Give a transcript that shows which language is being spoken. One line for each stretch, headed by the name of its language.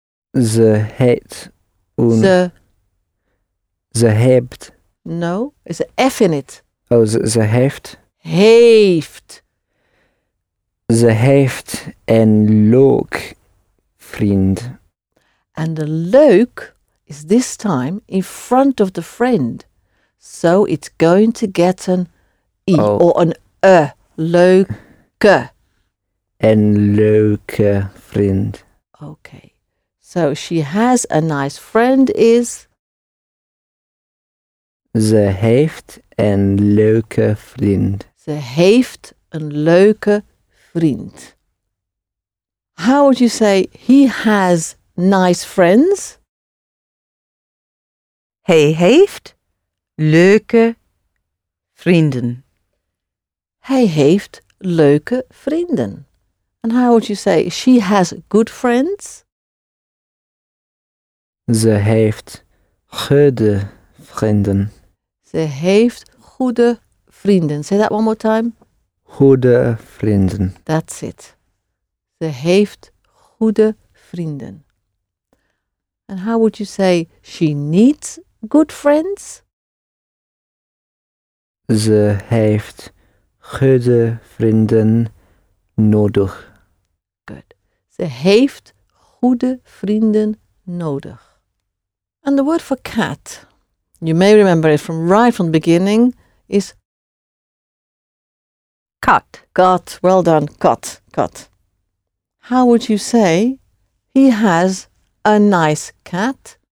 Dutch: Ze het un... Ze hebt.
English: No, there's an F in it. Oh,
Dutch: ze heeft. Heeft. Ze heeft een leuk vriend.
English: And a leuk is this time in front of the friend. So it's going to get an E or an E.
Dutch: Leuke. Een leuke vriend.
English: Okay. So she has a nice friend is...
Dutch: Ze heeft een leuke vriend. Ze heeft een leuke vriend.
English: How would you say he has nice friends?
Dutch: Hij heeft leuke vrienden. Hij heeft leuke vrienden.
English: And how would you say she has good friends?
Dutch: Ze heeft goede vrienden. Ze heeft goede vrienden.
English: Say that one more time.
Dutch: Goede vrienden.
English: That's it.
Dutch: Ze heeft goede vrienden.
English: And how would you say she needs good friends?
Dutch: Ze heeft goede vrienden nodig.
English: Good.
Dutch: Ze heeft goede vrienden nodig.
English: And the word for cat, you may remember it from right from the beginning, is
Dutch: kat. Kat.
English: Well done.
Dutch: Kat. Kat.
English: How would you say he has a nice cat?